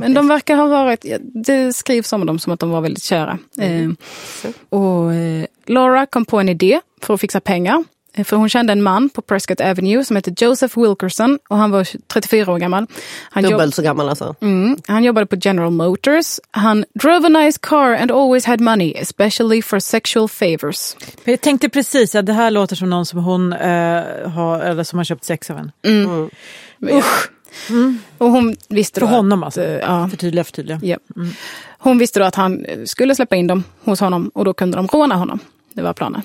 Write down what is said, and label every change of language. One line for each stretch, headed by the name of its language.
Swedish: Men de verkar ha varit, det skrivs om dem som att de var väldigt kära. Mm. Och Laura kom på en idé för att fixa pengar. För hon kände en man på Prescott Avenue som hette Joseph Wilkerson och han var 34 år gammal. Han dubbelt så gammal alltså. Han jobbade på General Motors.
English: Han drove a nice car and always had money, especially for sexual favors.
Swedish: Men jag tänkte precis att det här låter som någon som hon har, eller som har köpt sex av en. Och hon visste för honom alltså. Förtydliga. Ja. Hon visste då att han skulle släppa in dem hos honom och då kunde de råna honom. Det var planen.